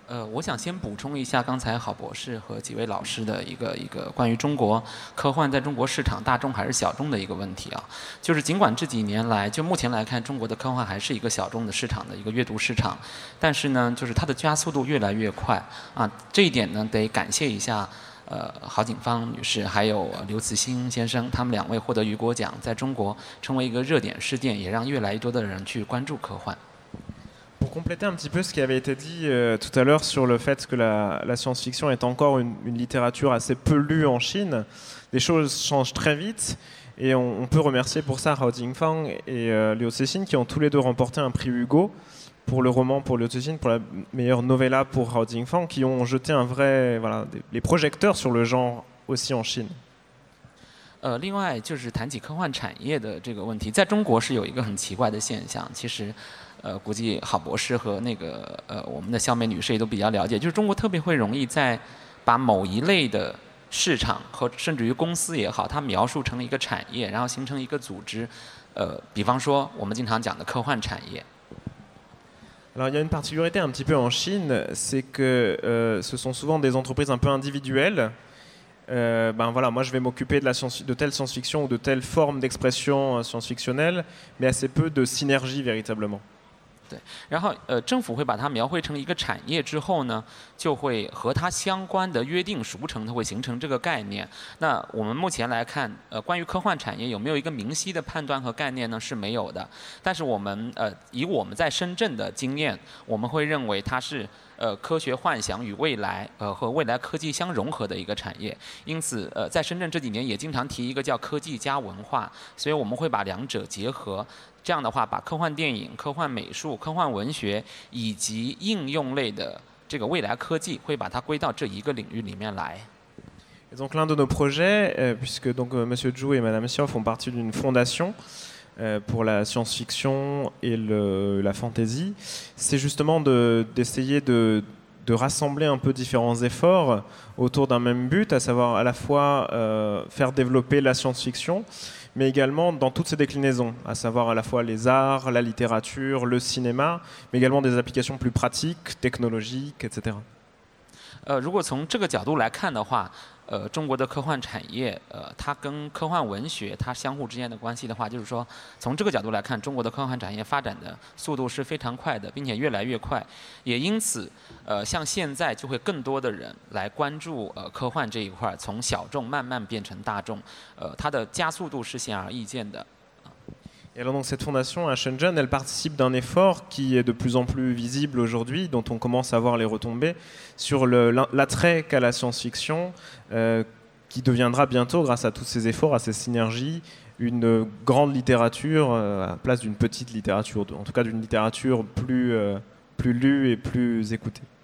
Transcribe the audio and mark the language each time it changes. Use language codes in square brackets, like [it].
[zh] 我想先补充一下刚才郝博士和几位老师的一个关于中国科幻在中国市场大众还是小众的一个问题啊，就是尽管这几年来就目前来看中国的科幻还是一个小众的市场的一个阅读市场，但是呢就是它的加速度越来越快啊，这一点呢得感谢一下郝景芳女士还有刘慈欣先生，他们两位获得雨果奖，在中国成为一个热点事件，也让越来越多的人去关注科幻。 [fr] Pour compléter un petit peu ce qui avait été dit tout à l'heure sur le fait que la science-fiction est encore une littérature assez peu lue en Chine, les choses changent très vite et on peut remercier pour ça Hao Jingfang et Liu Cixin qui ont tous les deux remporté un prix Hugo pour le roman pour Liu Cixin, pour la meilleure novella pour Hao Jingfang, qui ont jeté un vrai, voilà, les projecteurs sur le genre aussi en Chine. [zh] 另外就是谈起科幻产业的这个问题，在中国是有一个很奇怪的现象，其实估计郝博士和那个我们的肖美女士也都比较了解，就是中国特别会容易在把某一类的市场和甚至于公司也好，它描述成一个产业，然后形成一个组织，比方说我们经常讲的科幻产业。 [fr] Alors, il y a une particularité un petit peu en Chine, c'est que ce sont souvent des entreprises un peu individuelles. Ben voilà, moi je vais m'occuper de telle science-fiction ou de telle forme d'expression science-fictionnelle, mais assez peu de synergie véritablement. [zh] 对，然后政府会把它描绘成一个产业之后呢，就会和它相关的约定俗成，它会形成这个概念。那我们目前来看，关于科幻产业有没有一个明晰的判断和概念呢？是没有的。但是我们以我们在深圳的经验，我们会认为它是科学幻想与未来和未来科技相融合的一个产业。因此在深圳这几年也经常提一个叫科技加文化，所以我们会把两者结合。这样的话，把科幻电影、科幻美术、科幻文学以及应用类的这个未来科技，会把它归到这一个领域里面来。 [fr] Et donc l'un de nos projets, puisque donc Monsieur Zhu et Madame Xiao font partie d'une fondation pour la science-fiction et la fantasy, c'est justement d'essayer de rassembler un peu différents efforts autour d'un même but, à savoir à la fois faire développer la science-fiction. Mais également dans toutes ces déclinaisons, à savoir à la fois les arts, la littérature, le cinéma, mais également des applications plus pratiques, technologiques, etc. [zh] 如果从这个角度来看的话，中国的科幻产业，它跟科幻文学它相互之间的关系的话，就是说，从这个角度来看，中国的科幻产业发展的速度是非常快的，并且越来越快。也因此，像现在就会更多的人来关注科幻这一块，从小众慢慢变成大众，它的加速度是显而易见的。 [fr] Et alors donc cette fondation à Shenzhen, elle participe d'un effort qui est de plus en plus visible aujourd'hui, dont on commence à voir les retombées, sur l'attrait qu'a la science-fiction, qui deviendra bientôt, grâce à tous ces efforts, à ces synergies, une grande littérature, à la place d'une petite littérature, en tout cas d'une littérature plus lue et plus écoutée.